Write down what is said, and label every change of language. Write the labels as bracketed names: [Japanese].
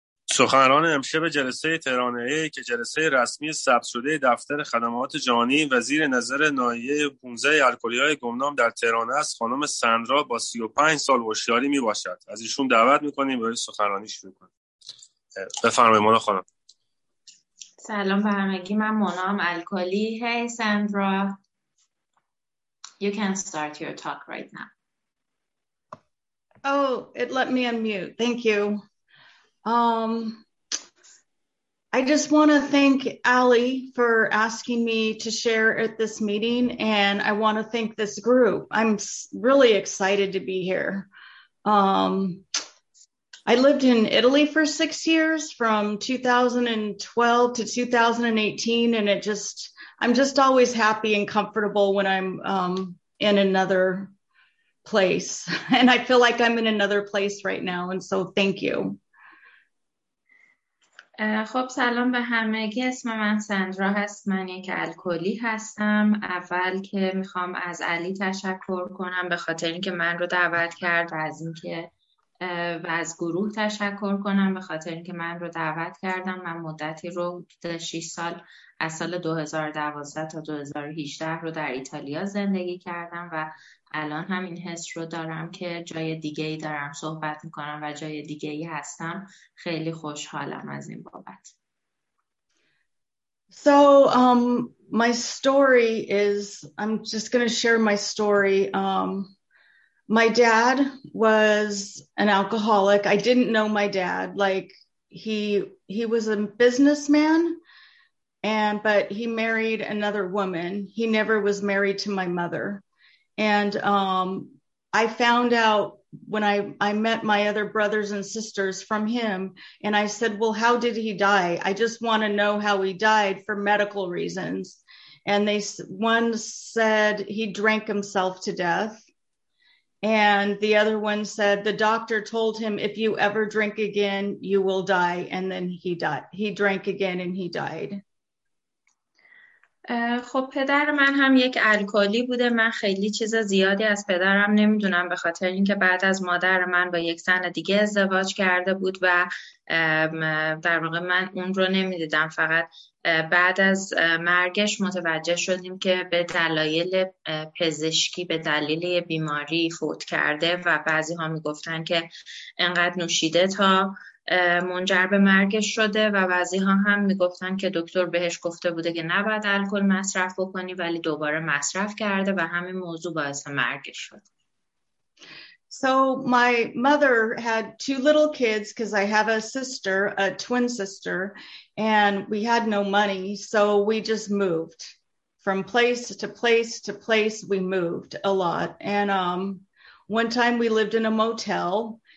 [Persian] سخنران امشب جلسه ترانه‌ای که جلسه رسمی ثبت شده دفتر خدمات جهانی وزیر نظر ناحیه 15 الکلی‌های گمنام در تهران است، خانم سندرا با 35 سال هوشیاری میباشد. از ایشون دعوت میکنیم برای سخنرانی شروع کنیم. بفرمایید مونا خانم. سلام به همگی، من مونام الکلی. [English] Hey Sandra, you can start your talk right now. Oh, it let me unmute. Thank you. I just want to thank Ali for asking me to share at this meeting, and I want to thank this group. I'm really excited to be here. I lived in Italy for 6 years, from 2012 to 2018, and I'm just always happy and comfortable when I'm in another place, and I feel like I'm in another place right now, and so thank you. [Persian] خب سلام به همگی، اسم من سندرا هست، من یک الکلی هستم. اول که میخوام از علی تشکر کنم به خاطر اینکه من رو دعوت کرد، از اینکه و از گروه تشکر کنم به خاطر اینکه من رو دعوت کردم. من مدتی رو 6 سال از سال 2012 تا 2018 رو در ایتالیا زندگی کردم و الان هم این حس رو دارم که جای دیگه ای دارم صحبت میکنم و جای دیگه ای هستم. خیلی خوشحالم از این بابت. [English] So my story is, I'm just going to share my story. My dad was an alcoholic. I didn't know my dad. Like he was a businessman, but he married another woman. He never was married to my mother. And I found out when I met my other brothers and sisters from him, and I said, well, how did he die? I just want to know how he died for medical reasons. And one said he drank himself to death. And the other one said the doctor told him, if you ever drink again, you will die. And then he died. He drank again and he died. [Persian] خب پدر من هم یک الکلی بوده. من خیلی چیز زیادی از پدرم نمیدونم به خاطر اینکه بعد از مادر من با یک زن دیگه ازدواج کرده بود و در واقع من اون رو نمیدیدم. فقط بعد از مرگش متوجه شدیم که به دلایل پزشکی، به دلیل بیماری فوت کرده و بعضی ها میگفتن که انقدر نوشیده تا منجر به مرگش شده و بعضی ها هم میگفتن که دکتر بهش گفته بوده که نباید الکل مصرف بکنی، ولی دوباره مصرف کرده و همین موضوع باعث مرگش شد. [English] So my mother had two little kids because I have a sister, a twin sister, and we had no money, so we just moved from place to place to place. We moved a lot, and one time we lived in a motel.